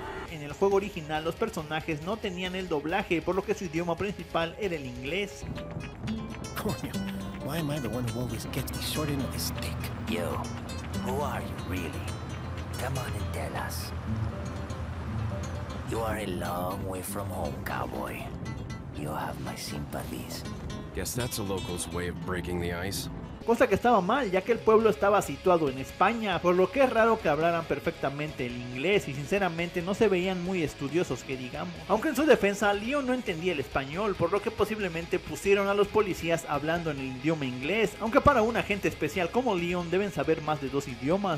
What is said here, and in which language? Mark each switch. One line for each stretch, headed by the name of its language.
Spanish: En el juego original los personajes no tenían el doblaje, por lo que su idioma principal era el inglés.
English: Coño, why am I the one who always gets the short end of the stick? You, who are you really? Come on and tell us. You are a long way from home, cowboy. You have my sympathies. Guess that's a local's way of breaking the ice.
Spanish: Cosa que estaba mal, ya que el pueblo estaba situado en España, por lo que es raro que hablaran perfectamente el inglés, y sinceramente no se veían muy estudiosos que digamos. Aunque en su defensa, Leon no entendía el español, por lo que posiblemente pusieron a los policías hablando en el idioma inglés, aunque para un agente especial como Leon deben saber más de dos idiomas.